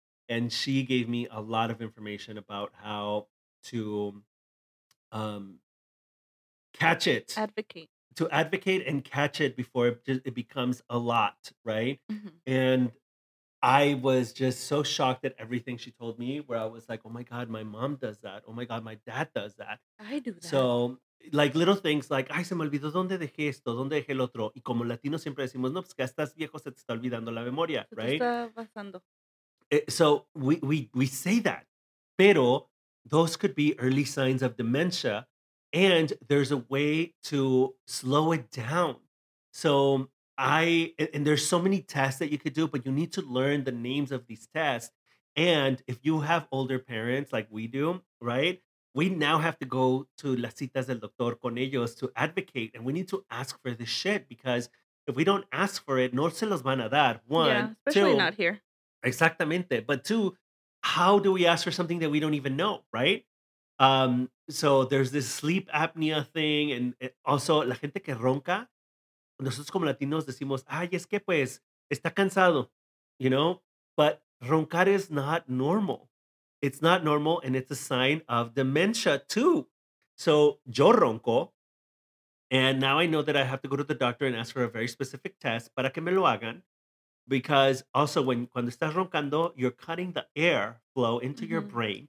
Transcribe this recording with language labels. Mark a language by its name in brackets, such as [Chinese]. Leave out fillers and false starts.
[English] And she gave me a lot of information about how to catch it. Advocate. To advocate and catch it before it becomes a lot, right? Mm-hmm. And I was just so shocked at everything she told me, where I was like, oh my God, my mom does that. Oh my God, my dad does that. I do that. So, like little things like, [Spanish] ay, se me olvidó dónde dejé esto, dónde dejé el otro. Y como latinos siempre decimos, no, pues que estás viejo, se te está olvidando la memoria, right? [English] So we say that. Pero those could be early signs of dementia. And there's a way to slow it down. So and there's so many tests that you could do, but you need to learn the names of these tests. And if you have older parents like we do, right? We now have to go to [Spanish] las citas del doctor con ellos [English] to advocate. And we need to ask for this shit, because if we don't ask for it, [Spanish] no se los van a dar. [English] One, yeah, especially two, not here. [Spanish] Exactamente. [English] But two, how do we ask for something that we don't even know, right? So there's this sleep apnea thing. [Spanish] And also, la gente que ronca, nosotros como latinos decimos, ay, es que pues, está cansado, [English] you know? But roncar is not normal. It's not normal, and it's a sign of dementia too. So [Spanish] yo ronco, [English] and now I know that I have to go to the doctor and ask for a very specific test [Spanish] para que me lo hagan. [English] Because also [Spanish] cuando estás roncando, [English] you're cutting the air flow into mm-hmm. your brain.